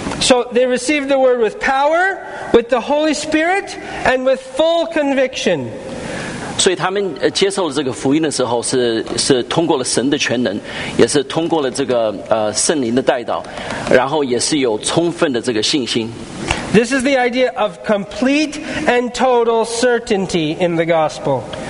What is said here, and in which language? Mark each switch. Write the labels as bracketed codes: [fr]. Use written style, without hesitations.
[en] So they received the word with power, with the Holy Spirit, and with full conviction. [zh] 所以他们接受了这个福音的时候是通过了神的全能，也是通过了这个圣灵的带导，然后也是有充分的这个信心。 [en] This is the idea of complete and total certainty in the gospel.